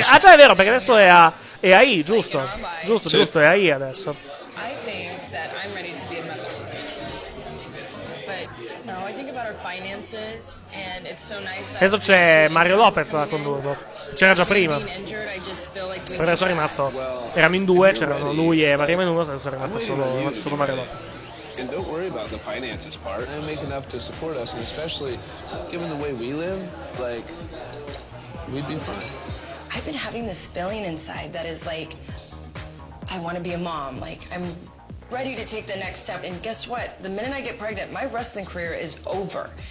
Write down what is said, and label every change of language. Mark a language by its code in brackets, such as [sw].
[it] Ah, già, è vero, perché adesso è AI, giusto. Giusto, giusto, è AI adesso. [en] I think that I'm ready to be a mother. But no, I think about our finances and it's so nice that [it] adesso c'è Mario Lopez a condurlo. C'era già prima. Però adesso è rimasto. Eravamo in due, c'erano lui e Maria Menounos, adesso è rimasto solo Mario Lopez. [en] And don't worry about the finances part. I make enough to support us, and especially given the way we live, like, we'd be fine. I've been having this feeling inside that is like, I want to be a mom. Like, I'm ready to take the next step. And guess what? The minute I get pregnant, my wrestling career is over.